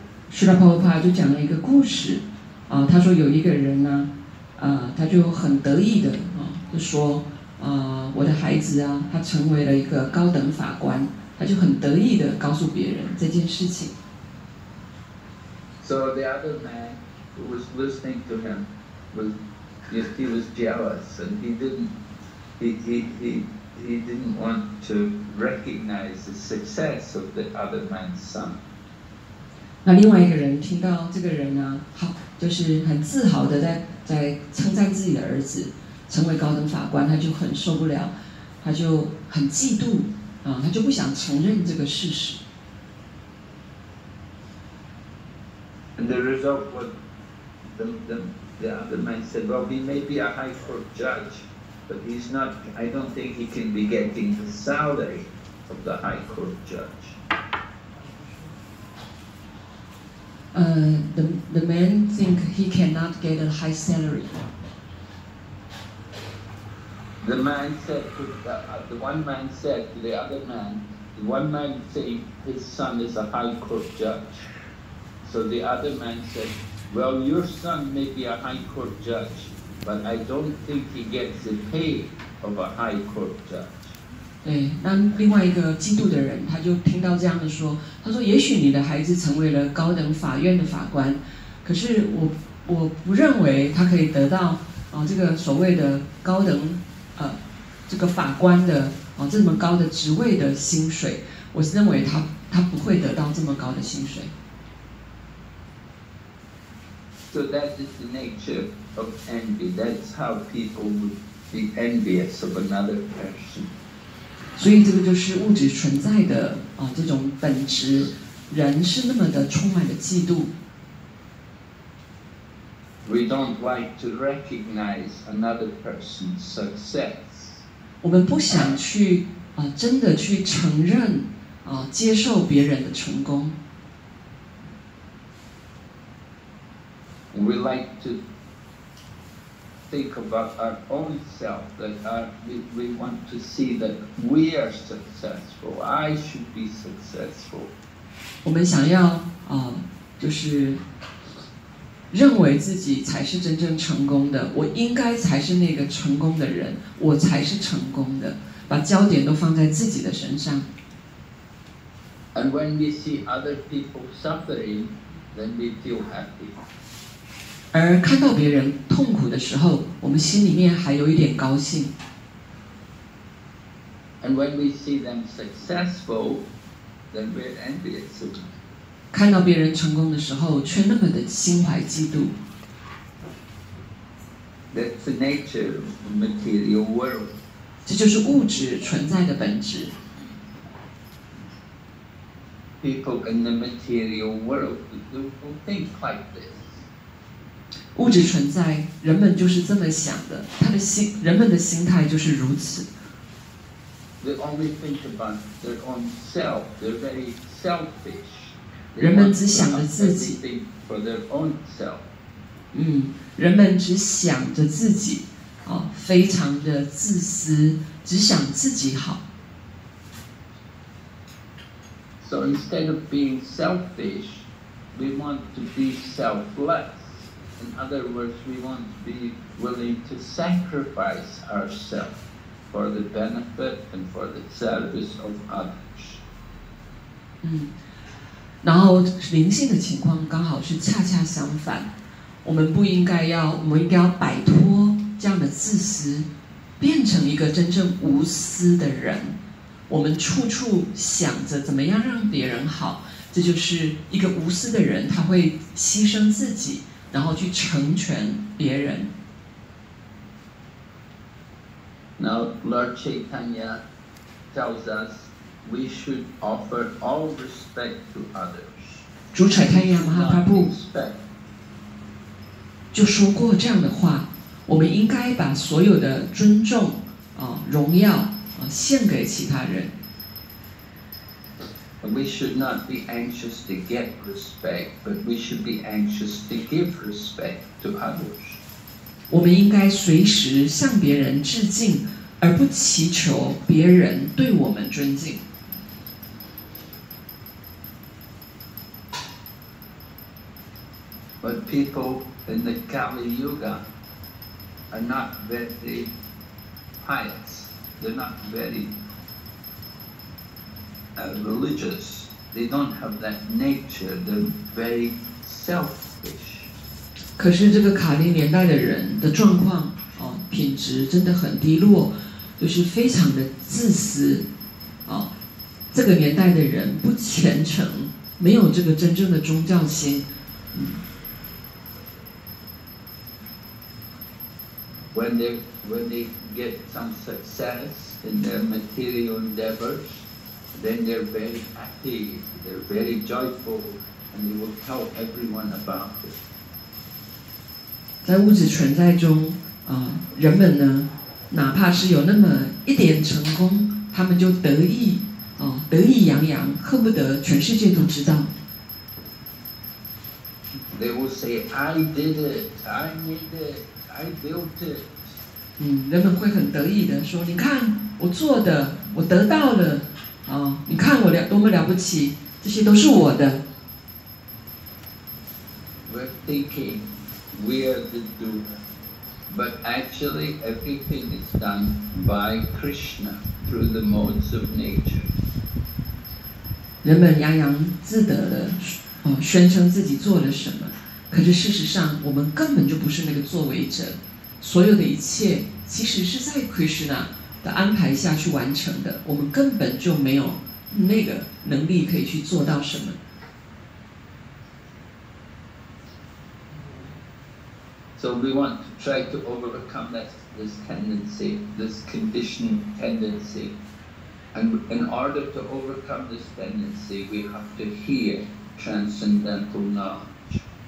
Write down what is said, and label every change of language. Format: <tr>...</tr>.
<zh>Srila Prabhupada 就讲了一个故事，他说有一个人呢，他就很得意的就说，我的孩子啊，他成为了一个高等法官，他就很得意的告诉别人这件事情。</zh> <en>So the other man who was listening to him was, he was jealous, and he didn't want to recognize the success of the other man's son.</en> <zh>那另外一个人听到这个人呢，好，就是很自豪的在称赞自己的儿子成为高等法官，他就很受不了，他就很嫉妒啊，他就不想承认这个事实。</zh> <en>And the result was, the other man said, "Well, he may be a high court judge, but he's not. I don't think he can be getting the salary of the high court judge." The man think he cannot get a high salary. The man said, the one man said to the other man, the one man saying his son is a high court judge. So the other man said, "Well, your son may be a high court judge, but I don't think he gets the pay of a high court judge."</en> <zh>对，那另外一个嫉妒的人，他就听到这样的说，他说：“也许你的孩子成为了高等法院的法官，可是我不认为他可以得到这个所谓的高等这个法官的这么高的职位的薪水，我是认为他不会得到这么高的薪水。”</zh> <en>So that is the nature of envy. That's how people would be envious of another person.</en> <zh>所以这个就是物质存在的这种本质，人是那么的充满了嫉妒。</zh> <en>We don't like to recognize another person's success.</en> <zh>我们不想去真的去承认接受别人的成功。</zh> <en>We like to think about our own self, that we want to see that we are successful. I should be successful.</en> <zh>我们想要就是认为自己才是真正成功的，我应该才是那个成功的人，我才是成功的，把焦点都放在自己的身上。</zh> <en>And when we see other people suffering, then we feel happy.</en> <zh>而看到别人痛苦的时候，我们心里面还有一点高兴。</zh> <en>And when we see them successful, then we're envious.</en> <zh>看到别人成功的时候，却那么的心怀嫉妒。</zh> <en>That's the nature of material world.</en> <zh>这就是物质存在的本质。</zh> <en>People in the material world don't think like this.</en> <zh>物质存在，人们就是这么想的，他的心，人们的心态就是如此。</zh> <en>They only think about their own self. They're very selfish.</en> <zh>人们只想着自己。</zh> <en>For their own self.</en> <zh>人们只想着自己，非常的自私，只想自己好。</zh> <en>So instead of being selfish, we want to be selfless. In other words, we want to be willing to sacrifice ourselves for the benefit and for the service of others.</en> <zh>然后灵性的情况刚好是恰恰相反，我们不应该要，我们应该要摆脱这样的自私，变成一个真正无私的人。我们处处想着怎么样让别人好，这就是一个无私的人，他会牺牲自己。然后去成全别人。</zh> <en>Now Lord Chaitanya tells us we should offer all respect to others.</en> <zh>主柴坦亚马哈帕布就说过这样的话，我们应该把所有的尊重、荣耀、献给其他人。</zh> <en>We should not be anxious to get respect, but we should be anxious to give respect to others.</en> <zh>我们应该随时向别人致敬，而不祈求别人对我们尊敬。</zh> <en>But people in the Kali Yuga are not very pious. They're not very religious. They don't have that nature. They're very selfish.</en> <zh>可是这个卡利年代的人的状况，品质真的很低落，就是非常的自私，这个年代的人不虔诚，没有这个真正的宗教心。</zh> <en>When they get some success in their material endeavors, then they're very happy, they're very joyful, and they will tell everyone about it.</en> <zh>在物质存在中，人们呢，哪怕是有那么一点成功，他们就得意，得意洋洋，恨不得全世界都知道。</zh> <en>They will say, "I did it. I made it." I built it.</en> <zh>人们会很得意的说：“你看，我做的，我得到了，你看我了，多么了不起，这些都是我的。”</zh> <en>We're thinking we are the doer, but actually everything is done by Krishna through the modes of nature.</en> <zh>人们洋洋自得的，宣称自己做了什么。可是事实上，我们根本就不是那个作为者，所有的一切其实是在 Krishna 的安排下去完成的，我们根本就没有那个能力可以去做到什么。</zh> <en>So we want to try to overcome this tendency, this conditioning tendency, and in order to overcome this tendency, we have to hear transcendental knowledge.</en>